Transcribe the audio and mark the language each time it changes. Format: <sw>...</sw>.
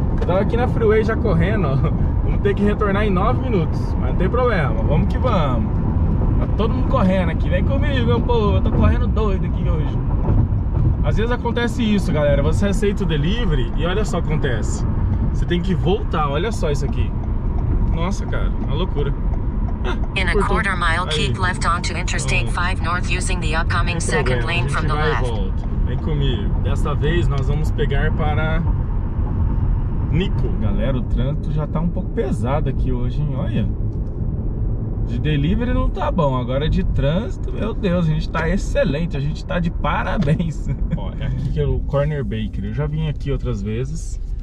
<pt>Eu tava aqui na freeway já correndo, ó. Vamos ter que retornar em 9 minutos. Mas não tem problema. Vamos que vamos. Tá todo mundo correndo aqui. Vem comigo, meu povo. Eu tô correndo doido aqui hoje. Às vezes acontece isso, galera. Você aceita o delivery e olha só o que acontece. Você tem que voltar. Olha só isso aqui. Nossa, cara. Uma loucura.</pt> <en>In a quarter mile, keep left onto Interstate 5 North using the upcoming second lane from the left.</en> <pt>Vem comigo. Desta vez nós vamos pegar para Nico. Galera, o trânsito já tá um pouco pesado aqui hoje, hein? Olha. De delivery não tá bom. Agora de trânsito, meu Deus, a gente tá excelente. A gente tá de parabéns. Ó, é aqui que é o Corner Bakery. Eu já vim aqui outras vezes.</pt>